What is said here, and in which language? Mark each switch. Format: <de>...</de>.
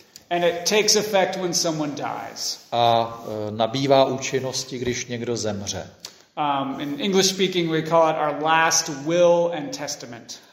<en>And it takes effect when someone dies.</en> <cs>A nabývá účinnosti, když někdo zemře.</cs> <en>In English speaking, we call it our last will and testament.</en>